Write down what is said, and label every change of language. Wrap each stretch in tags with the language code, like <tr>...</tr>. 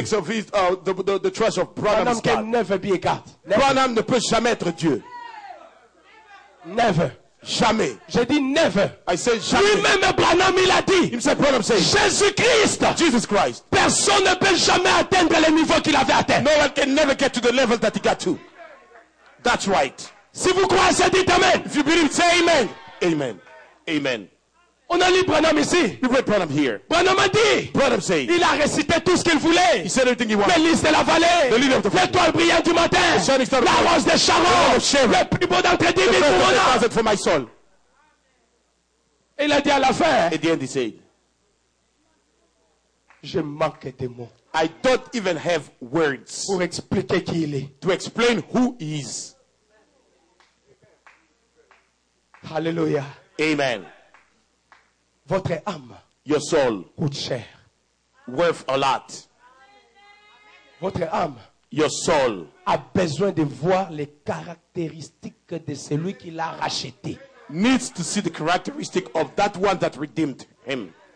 <en>Of his, the trash of Branham can never be a God. Never.</en> <fr>Branham ne peut jamais être Dieu.</fr> <en>Never.</en> <fr>Jamais. J'ai dit never.</fr> <en>I said jamais.</en> <fr>Lui-même Branham il a dit.</fr> <en>Himself Branham said.</en> <fr>Jésus Christ.</fr> <en>Jesus Christ.</en> <fr>Personne ne peut jamais atteindre le niveau qu'il avait atteint.</fr> <en>No one can never get to the level that he got to. That's right.</en> <fr>Si vous croyez, dites amen.</fr> <en>If you believe, say amen. Amen. Amen.</en> <fr>On a lu Branham ici.</fr> <en>You read Branham here.</en> <fr>Branham a dit.</fr> <en>Branham said.</en> <fr>Il a récité tout ce qu'il voulait.</fr> <en>He said everything he wanted.</en> <fr>L'hélice de la vallée.</fr> <en>The lily of the valley.</en> <fr>L'étoile brillante du matin.</fr> <en>The shining star.</en> <fr>La rose de Sharon.</fr> <en>The rose of Sharon.</en> <fr>Le plus beau d'entre 10 000 pour mon âme.</fr> <en>The first of the for my soul.</en> <fr>Et il a dit à la fin.</fr> <en>At the end he said.</en> <fr>Je manque de mots.</fr> <en>I don't even have words.</en> <fr>Pour expliquer qui il est.</fr> <en>To explain who he is. Hallelujah. Amen.</en> <fr>Votre âme,</fr> <en>your soul,</en> <fr>coûte cher,</fr> <en>worth a lot.</en> <fr>Votre âme,</fr> <en>your soul,</en> <fr>a besoin de voir les caractéristiques de celui qui l'a racheté.</fr> <en>Needs to see the characteristic of that one that redeemed him.</en>